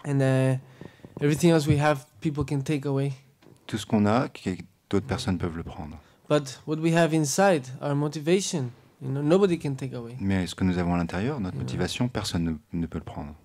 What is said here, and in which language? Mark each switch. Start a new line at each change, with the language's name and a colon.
English: And everything else we have, people can take away.
French: Tout ce qu'on a, d'autres personnes peuvent le prendre.
English: But what we have inside, our motivation, you know, nobody can take away.
French: Mais ce que nous avons à l'intérieur, notre motivation, personne ne peut le prendre.